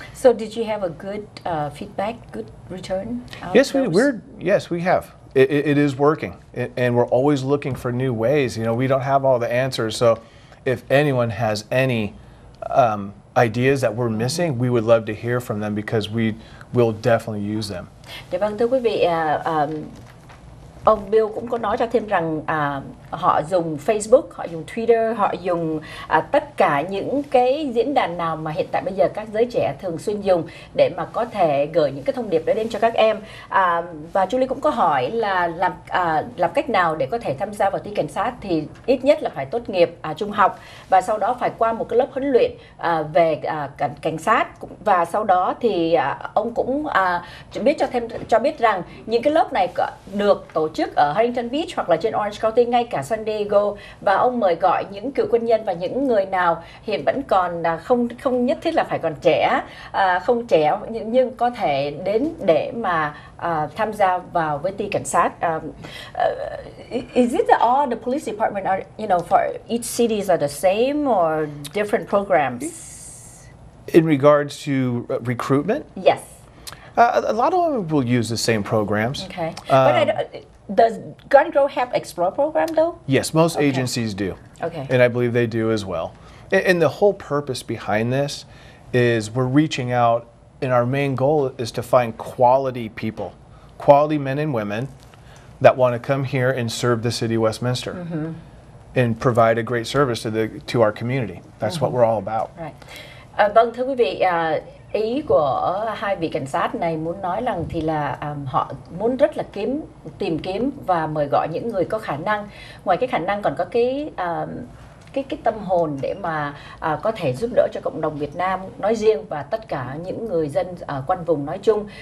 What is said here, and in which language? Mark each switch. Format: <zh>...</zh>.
<en>So did you have a good feedback, good return? Yes, we have. It is working, and we're always looking for new ways. You know, we don't have all the answers, so if anyone has any ideas that we're missing, we would love to hear from them because we will definitely use them.</en> <vi>Dạ vâng, thưa quý vị, ông Bill cũng có nói cho thêm rằng họ dùng Facebook, họ dùng Twitter, họ dùng tất cả những cái diễn đàn nào mà hiện tại bây giờ các giới trẻ thường xuyên dùng để mà có thể gửi những cái thông điệp đó đến cho các em. Và Julie cũng có hỏi là làm cách nào để có thể tham gia vào thi cảnh sát, thì ít nhất là phải tốt nghiệp trung học và sau đó phải qua một cái lớp huấn luyện về cảnh sát. Và sau đó thì ông cũng cho biết rằng những cái lớp này được tổ chức ở Huntington Beach hoặc là trên Orange County, ngay cả San Diego, và ông mời gọi những cựu quân nhân và những người nào hiện vẫn còn không nhất thiết là phải còn trẻ, không trẻ nhưng có thể đến để mà tham gia vào với ti cảnh sát.</vi> <en>Is it that all the police department are, you know, for each cities are the same or different programs? In regards to recruitment? Yes. A lot of them will use the same programs. Okay. Does Gun Grow have Explore program though? Yes, most agencies do. Okay. And I believe they do as well. And the whole purpose behind this is we're reaching out, and our main goal is to find quality people, quality men and women that want to come here and serve the city of Westminster. Mm-hmm. And provide a great service to the to our community. That's uh-huh. what we're all about. Right.</en> <vi>Vâng, thưa quý vị, ý của hai vị cảnh sát này muốn nói rằng thì là họ muốn rất là kiếm, tìm kiếm và mời gọi những người có khả năng. Ngoài cái khả năng còn có cái tâm hồn để mà có thể giúp đỡ cho cộng đồng Việt Nam nói riêng và tất cả những người dân ở quanh vùng nói chung.</vi>